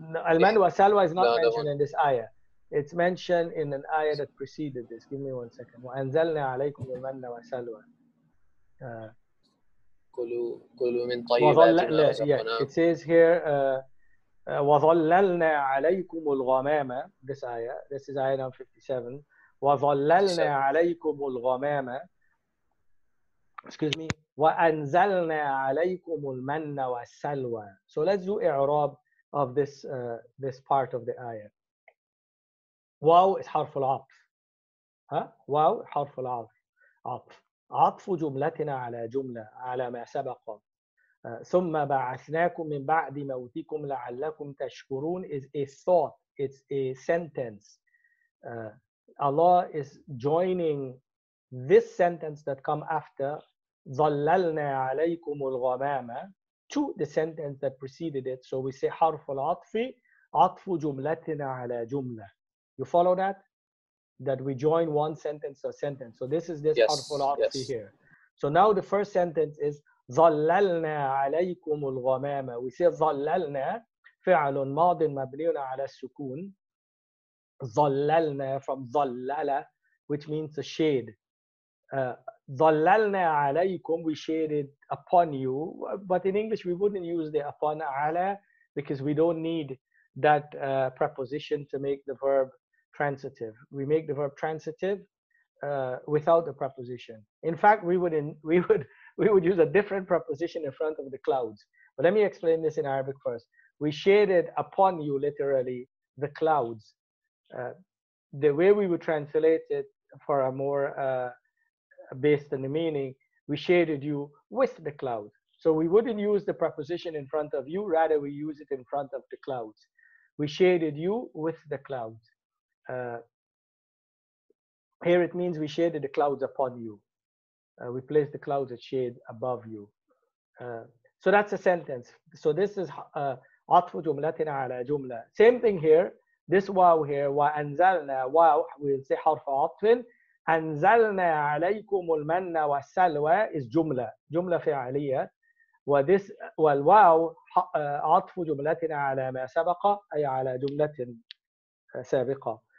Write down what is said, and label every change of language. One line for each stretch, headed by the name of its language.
Arabic: المن وسلوى
English: is not mentioned in this ayah. It's mentioned in an ayah that preceded this. Give me one second.
Arabic: وأنزلنا عليكم المن وسلوى. كلوا من طيبات.
English: It says here,
Arabic: وظللنا عليكم الغمامة.
English: This ayah. This is ayah number 57.
Arabic: وظللنا عليكم الغمامة.
English: Excuse me.
Arabic: وَأَنزَلْنَا عَلَيْكُمُ الْمَنَّ وَالسَّلْوَى.
English: So let's do i'rab of this this part of the ayah. Wow is harf al-'atf. Wow harf al-'atf.
Arabic: عطف جملتنا على جملة على ما سبق. ثم بعثناكم من بعد موتكم لعلكم تشكرون
English: is a thought. It's a sentence. Allah is joining this sentence that come after
Arabic: ظَلَّلْنَا عَلَيْكُمُ الْغَمَامَ
English: to the sentence that preceded it. So we say
Arabic: حَرْفُ الْعَطْفِ عَطْفُ جُمْلَتِنَا عَلَى جُمْلَةٍ.
English: You follow that? That we join one sentence to a sentence. So this is this حَرْفُ الْعَطْفِ here. So now the first sentence is
Arabic: ظَلَّلْنَا عَلَيْكُمُ الْغَمَامَ.
English: We say
Arabic: ظَلَّلْنَا فِعَلٌ مَاضٍ مَبْنِيٌ عَلَى السُّكُونِ.
English: ظَلَّلْنَا from ظَلَّلَ, which means a shade.
Arabic: ظَلَّلْنَا عَلَيْكُمْ,
English: we shaded upon you. But in English, we wouldn't use the upon عَلَى because we don't need that preposition to make the verb transitive. We make the verb transitive without the preposition. In fact, we would use a different preposition in front of the clouds. But let me explain this in Arabic first. We shaded upon you, literally, the clouds. The way we would translate it for a more based on the meaning, we shaded you with the cloud. So we wouldn't use the preposition in front of you, rather we use it in front of the clouds. We shaded you with the clouds. Here it means we shaded the clouds upon you. We placed the clouds at shade above you. So that's a sentence. So this is
Arabic: عطف جملتنا على جملة.
English: Same thing here. This wow here, وَأَنزَلْنَا, wow, we'll say حرف عطفٍ.
Arabic: أَنزَلْنَا عَلَيْكُمُ الْمَنَّ وَالسَّلْوَى is جُمْلَة, جُمْلَة فِعَلِيَة. وَالْوَاوْ عَطْفُ جُمْلَتِنَا عَلَى مَا سَبَقَ أي عَلَى جُمْلَةٍ سَابِقَة.